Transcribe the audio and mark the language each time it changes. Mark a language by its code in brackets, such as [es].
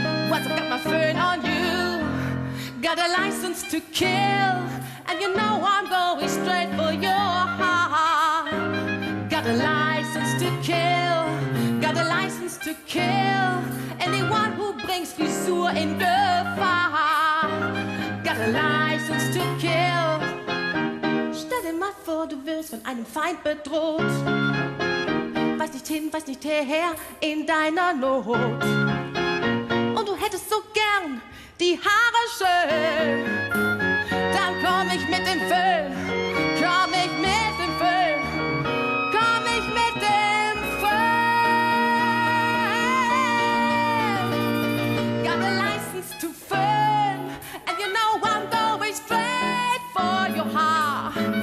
[en] Once I've got my fern on you, got a license to kill, and you know I'm going straight for your heart. Got a license to kill, got a license to kill anyone who brings Fissur in the fire. Got a license to kill. [de] Stell dir mal vor, du wirst von einem Feind bedroht. Weiß nicht hin, weiß nicht her in deiner Not. Und du hättest so gern die Haare schön. Dann komm ich mit dem Föhn, komm ich mit dem Föhn, komm ich mit dem Föhn. [en] Got a license to föhn, and you know I'm going straight for your heart.